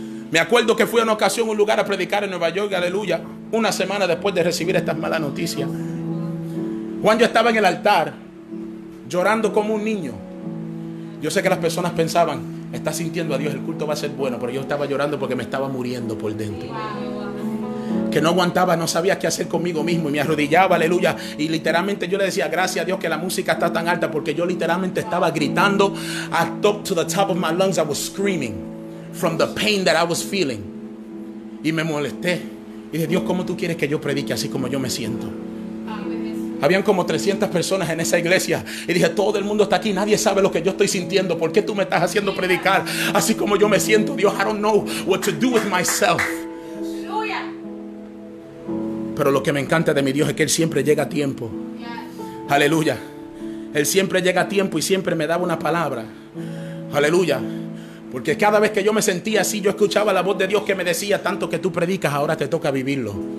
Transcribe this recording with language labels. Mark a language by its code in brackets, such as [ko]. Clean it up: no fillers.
[es] Me acuerdo que fui a una ocasión a un lugar a predicar en Nueva York, aleluya. Una semana después de recibir estas malas noticias, Juan, yo estaba en el altar llorando como un niño. Yo sé que las personas pensaban, está sintiendo a Dios, el culto va a ser bueno. Pero yo estaba llorando porque me estaba muriendo por dentro. Que no aguantaba, no sabía qué hacer conmigo mismo. Y me arrodillaba, aleluya. Y literalmente yo le decía, gracias a Dios que la música está tan alta. Porque yo literalmente estaba gritando. [en] I talked to the top of my lungs, I was screaming. From the pain that I was feeling. [es] Y me molesté. Y dije, Dios, ¿cómo tú quieres que yo predique así como yo me siento? Habían como 300 personas en esa iglesia. Y dije, todo el mundo está aquí. Nadie sabe lo que yo estoy sintiendo. ¿Por qué tú me estás haciendo predicar así como yo me siento? Dios, [en] I don't know what to do with myself. [es] Pero lo que me encanta de mi Dios es que Él siempre llega a tiempo. Aleluya. Él siempre llega a tiempo y siempre me daba una palabra. Aleluya. Porque cada vez que yo me sentía así, yo escuchaba la voz de Dios que me decía, tanto que tú predicas, ahora te toca vivirlo.